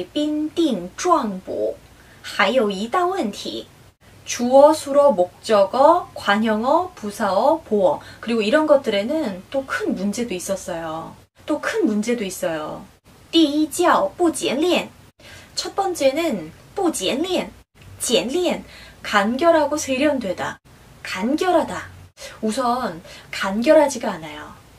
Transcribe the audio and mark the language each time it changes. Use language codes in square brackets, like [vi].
[zh] 主谓宾定状补，还有一大问题。 [ko] 주어 수로 목적어 관용어 부사어 보어 그리고 이런 것들에는 또큰 문제도 있었어요. 또큰 문제도 있어요. [zh] 第一 叫不简练， [ko] 첫 번째는 [zh] 不简练。 [ko] 简练，간결하고 세련되다. 간결하다. 우선 간결하지가 않아요.